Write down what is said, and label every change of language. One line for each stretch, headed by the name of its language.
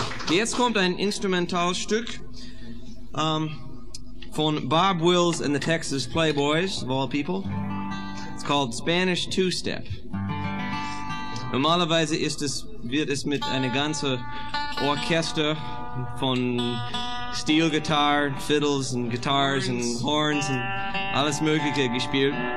German: Jetzt kommt ein Instrumentalstück von Bob Wills and the Texas Playboys,
English: of all people. It's called Spanish Two-Step.
German: Normalerweise wird es mit einer ganzen Orchester von Steel Guitar,
English: Fiddles and Guitars and Horns
German: and alles Mögliche gespielt.